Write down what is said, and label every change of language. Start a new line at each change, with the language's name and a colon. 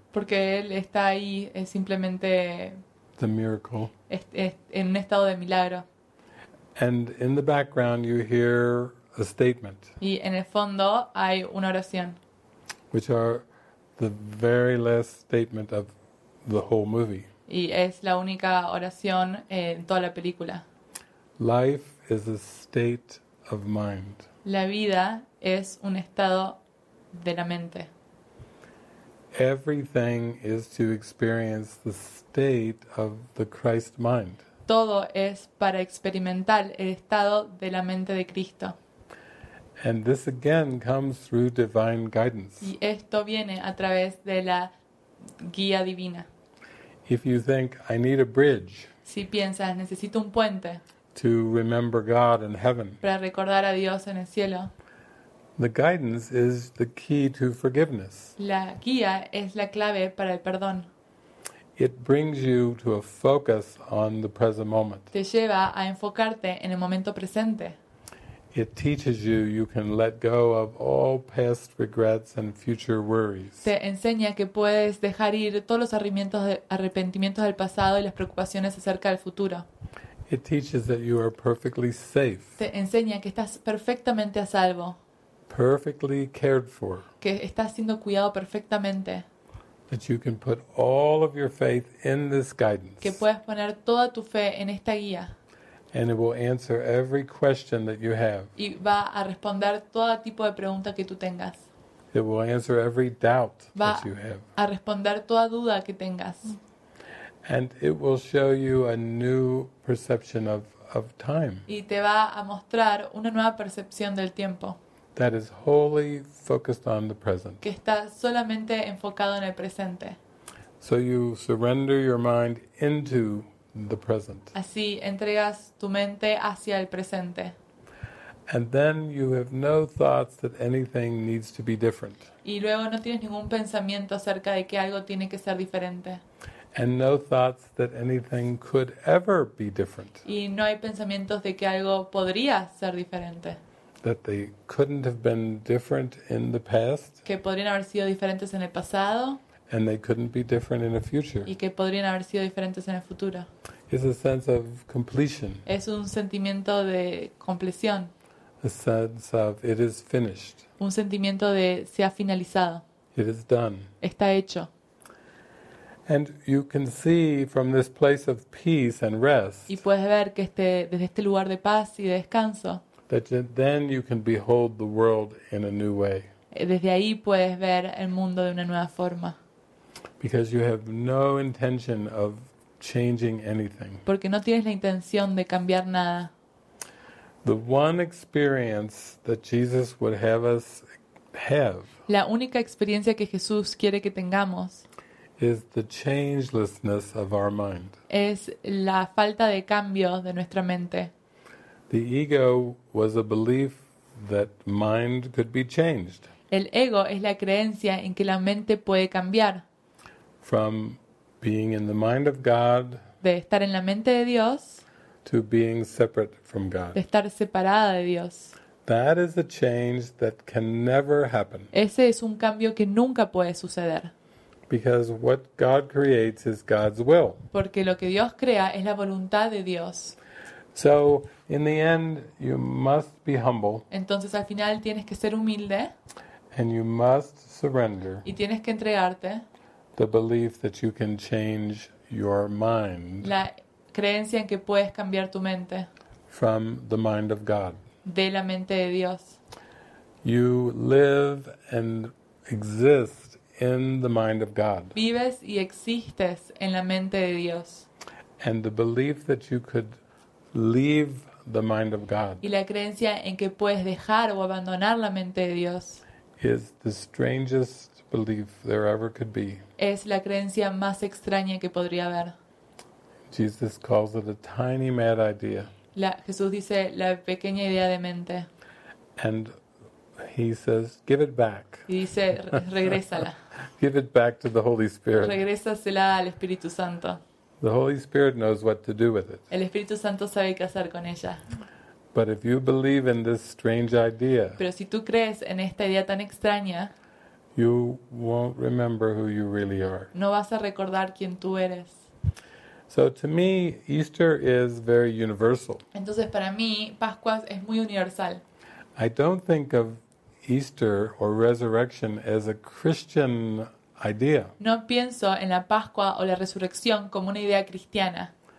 Spanish: Porque él está ahí, es simplemente
English: the miracle.
Spanish: En un estado de milagro.
English: And in the background you hear a statement.
Spanish: Y en el fondo hay una oración.
English: Which are the very last statement of the whole movie.
Spanish: Y es la única oración en toda la película.
English: Life is a state of mind.
Spanish: La vida es un estado de la mente.
English: Everything is to experience the state of the Christ mind.
Spanish: Todo es para experimentar el estado de la mente de Cristo.
English: And this again comes through divine guidance.
Spanish: Y esto viene a través de la guía divina.
English: If you think I need a bridge.
Spanish: Si piensas necesito un puente.
English: To remember God in heaven.
Spanish: Para recordar a Dios en el cielo.
English: The guidance is the key to forgiveness.
Spanish: La guía es la clave para el perdón.
English: It brings you to a focus on the present moment.
Spanish: Te lleva a enfocarte en el momento presente.
English: It teaches you you can let go of all past regrets and future worries.
Spanish: Te enseña que puedes dejar ir todos los arrepentimientos del pasado y las preocupaciones acerca del futuro.
English: It teaches that you are perfectly safe.
Spanish: Te enseña que estás perfectamente a salvo.
English: Perfectly cared for.
Spanish: Que estás siendo cuidado perfectamente.
English: That you can put all of your faith in this guidance.
Spanish: Que puedes poner toda tu fe en esta guía.
English: And it will answer every question that you have.
Spanish: Y va a responder todo tipo de pregunta que tú tengas.
English: It will answer every doubt
Spanish: va
English: that you have.
Spanish: Va a responder toda duda que tengas.
English: And it will show you a new perception of time.
Spanish: Y te va a mostrar una nueva percepción del tiempo.
English: That is wholly focused on the present.
Spanish: Que está solamente enfocado en el presente.
English: So you surrender your mind into the present.
Spanish: Así entregas tu mente hacia el presente.
English: And then you have no thoughts that anything needs to be different.
Spanish: Y luego no tienes ningún pensamiento acerca de que algo tiene que ser diferente.
English: And no thoughts that anything could ever be different.
Spanish: Y no hay pensamientos de que algo podría ser diferente.
English: That they couldn't have been different in the past.
Spanish: Que podrían haber sido diferentes en el pasado.
English: And they couldn't be different in the future.
Spanish: Y que podrían haber sido diferentes en el futuro.
English: It's a sense of completion.
Spanish: Es un sentimiento de compleción.
English: A sense of it is finished.
Spanish: Un sentimiento de se ha finalizado.
English: It is done.
Spanish: Está hecho.
English: And you can see from this place of peace and rest.
Spanish: Y puedes ver que desde este lugar de paz y de descanso.
English: That then you can behold the world in a new way.
Spanish: Desde ahí puedes ver el mundo de una nueva forma.
English: Because you have no intention of changing anything.
Spanish: Porque no tienes la intención de cambiar nada.
English: The one experience that Jesus would have us have.
Spanish: La única experiencia que Jesús quiere que tengamos.
English: Is the changelessness of our mind.
Spanish: Es la falta de cambio de nuestra mente.
English: The ego was a belief that mind could be changed.
Spanish: El ego es la creencia en que la mente puede cambiar.
English: From being in the mind of God.
Spanish: De estar en la mente de Dios.
English: To being separate from God.
Spanish: De estar separada de Dios.
English: That is a change that can never happen.
Spanish: Ese es un cambio que nunca puede suceder.
English: Because what God creates is God's will.
Spanish: Porque lo que Dios crea es la voluntad de Dios.
English: So, in the end, you must be humble.
Spanish: Entonces, al final, tienes que ser humilde.
English: And you must surrender.
Spanish: Y tienes que entregarte.
English: The belief that you can change your mind.
Spanish: La creencia en que puedes cambiar tu mente.
English: From the mind of God.
Spanish: De la mente de Dios.
English: You live and exist. In the mind of God.
Spanish: Vives y existes en la mente de Dios.
English: And the belief that you could leave the mind of God.
Spanish: Y la creencia en que puedes dejar o abandonar la mente de Dios.
English: Is the strangest belief there ever could be.
Spanish: Es la creencia más extraña que podría haber.
English: Jesus calls it a tiny mad idea.
Spanish: Jesús dice la pequeña idea de mente.
English: And He says, "Give it back."
Spanish: Y dice, regrésala.
English: Give it back to the Holy Spirit.
Spanish: Regrésasela al Espíritu Santo.
English: The Holy Spirit knows what to do with it.
Spanish: El Espíritu Santo sabe qué hacer con ella.
English: But if you believe in this strange idea,
Spanish: pero si tú crees en esta idea tan extraña,
English: you won't remember who you really are.
Spanish: No vas a recordar quién tú eres.
English: So to me, Easter is very universal.
Spanish: Entonces para mí, Pascua es muy universal.
English: I don't think of Easter or resurrection as a Christian idea.
Spanish: No pienso en la Pascua o la resurrección como una idea cristiana.